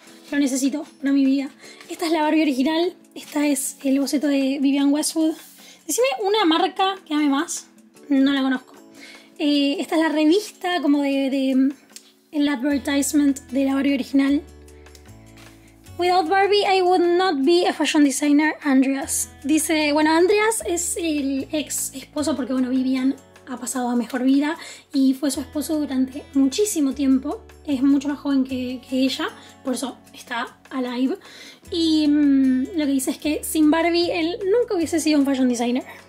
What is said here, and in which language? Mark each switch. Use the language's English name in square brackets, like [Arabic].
[Spanish] Lo necesito para mi vida. Esta es la Barbie original. Esta es el boceto de Vivienne Westwood. Decime una marca que ame más. No la conozco. Esta es la revista como de el advertisement de la Barbie original. [English] Without Barbie, I would not be a fashion designer, Andreas. [Spanish] Dice, bueno, Andreas es el ex esposo, porque bueno, Vivian ha pasado a mejor vida y fue su esposo durante muchísimo tiempo. Es mucho más joven que ella, por eso está alive. Y lo que dice es que sin Barbie, él nunca hubiese sido un fashion designer.